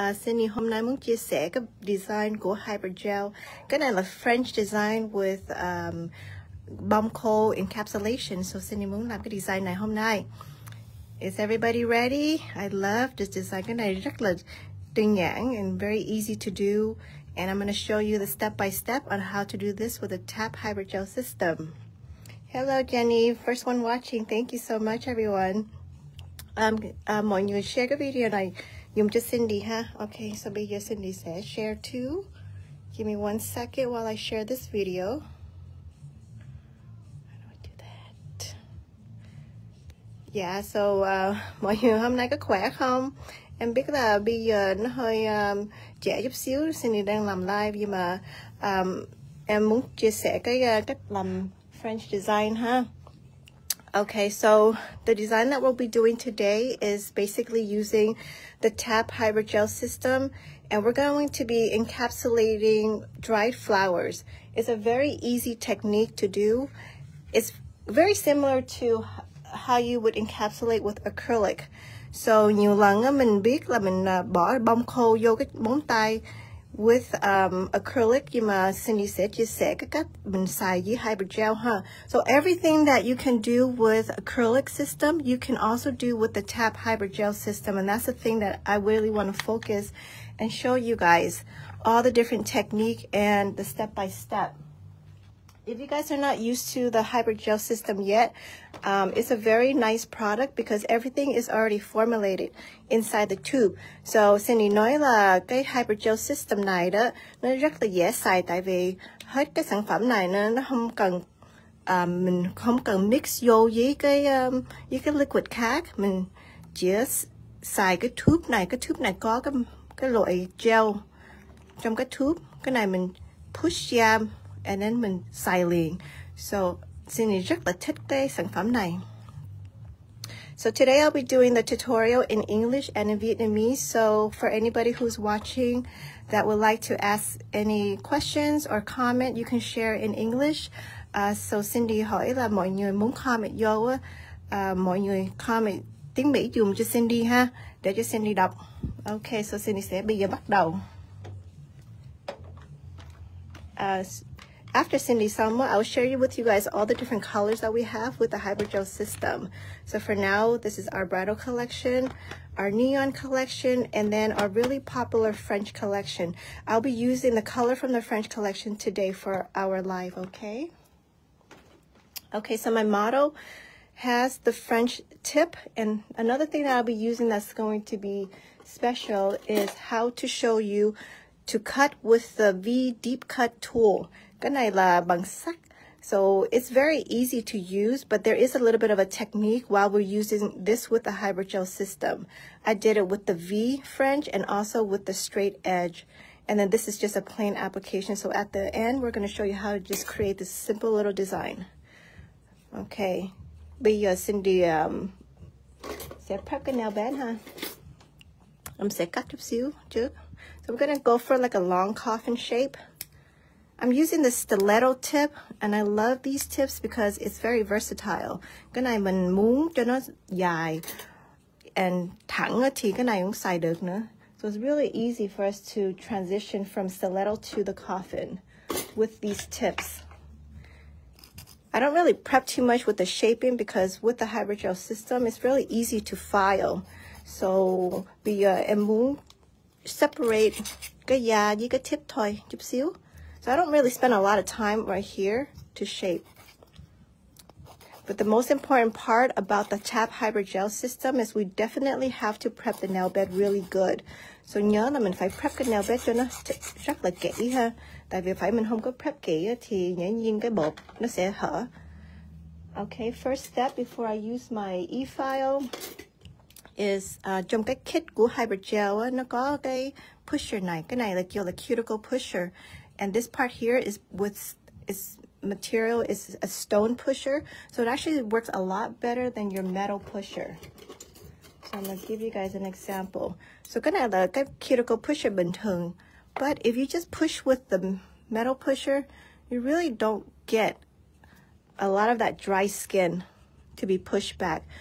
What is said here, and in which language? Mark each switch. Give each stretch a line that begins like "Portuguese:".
Vietnamese: Sindy hôm nay muốn chia sẻ cái design của hypergel. Cái này là
English: French design with bumhole encapsulation.
Vietnamese: So Sindy muốn làm cái design này hôm nay.
English: Is everybody ready? I love this design.
Vietnamese: Cái này rất là tinh nhãn
English: and very easy to do. And I'm going to show you the step-by-step on how to do this with a T.A.P. hypergel system. Hello, Jenny. First one watching. Thank you so much, everyone.
Vietnamese: Mọi người share cái video này dùng cho Sindy ha. Okay, so bây giờ Sindy sẽ share too.
English: Give me one second while I share this video. How do I do that?
Vietnamese: Yeah, so mọi người hôm nay có khỏe không? Em biết là bây giờ nó hơi trễ chút xíu, Sindy đang làm live. Nhưng mà em muốn chia sẻ cái cách làm French design ha.
English: Okay, so the design that we'll be doing today is basically using the T.A.P. hypergel system, and we're going to be encapsulating dried flowers. It's a very easy technique to do. It's very similar to how you would encapsulate with acrylic.
Vietnamese: So nhiều lần mình biết là mình bỏ bông khô vô cái móng tay
English: with acrylic,
Vietnamese: nhưng mà Sindy sẽ chia sẻ cách mình xài với hypergel ha.
English: So everything that you can do with acrylic system, you can also do with the T.A.P. hypergel system, and that's the thing that I really want to focus and show you guys all the different technique and the step by step. If you guys are not used to the hypergel system yet, it's a very nice product because everything is already formulated inside the tube.
Vietnamese: So Sindy nói là cái hypergel system này đó nó rất là dễ xài, tại vì hết cái sản phẩm này nó không cần mình không cần mix vô với cái liquid khác, mình chỉ xài cái tube này. Cái tube này có cái loại gel trong cái tube, cái này mình push ra and then mình xài liền. So Sindy rất là thích cái sản phẩm này.
English: So today I'll be doing the tutorial in English and in Vietnamese. So for anybody who's watching that would like to ask any questions or comment, you can share in English.
Vietnamese: So Sindy hỏi là mọi người muốn comment vô, mọi người comment tiếng Mỹ dùm cho Sindy ha, để cho Sindy đọc. Okay, so Sindy sẽ bây giờ bắt đầu.
English: After Sindy Sama, I'll share you with you guys all the different colors that we have with the hypergel system. So for now, this is our bridal collection, our neon collection, and then our really popular French collection. I'll be using the color from the French collection today for our live, okay? Okay, so my model has the French tip, and another thing that I'll be using that's going to be special is how to show you to cut with the V deep cut tool.
Vietnamese: Cái này là bằng sắt.
English: So it's very easy to use, but there is a little bit of a technique while we're using this with the hypergel system. I did it with the V French and also with the straight edge. And then this is just a plain application. So at the end, we're going to show you how to just create this simple little design. Okay.
Vietnamese: Bây giờ Sindy sẽ prep cái nail bed, huh? Em sẽ cắt chút xíu trước.
English: So we're going to go for like a long coffin shape. I'm using the stiletto tip, and I love these tips because it's very versatile.
Vietnamese: Cái này mình muốn cho nó dài and thẳng thì cái này cũng xài được nữa.
English: So it's really easy for us to transition from stiletto to the coffin with these tips. I don't really prep too much with the shaping because with the hypergel system, it's really easy to file.
Vietnamese: So bây giờ em muốn separate cái da với cái tip thôi chút xíu.
English: So I don't really spend a lot of time right here to shape. But the most important part about the T.A.P. hypergel system is we definitely have to prep the nail bed really good.
Vietnamese: So nhớ là mình phải prep cái nail bed cho nó rất là kỹ ha. Tại vì phải mình không có prep kỹ thì dĩ nhiên cái bột nó sẽ hở.
English: Okay, first step before I use my e-file is
Vietnamese: trong cái kit của hypergel nó có cái pusher này. Cái này là kêu là cuticle pusher.
English: And this part here is with its material is a stone pusher, so it actually works a lot better than your metal pusher. So I'm gonna give you guys an example. So
Vietnamese: cái này là cái cuticle pusher bình thường,
English: but if you just push with the metal pusher, you really don't get a lot of that dry skin. to be pushed back.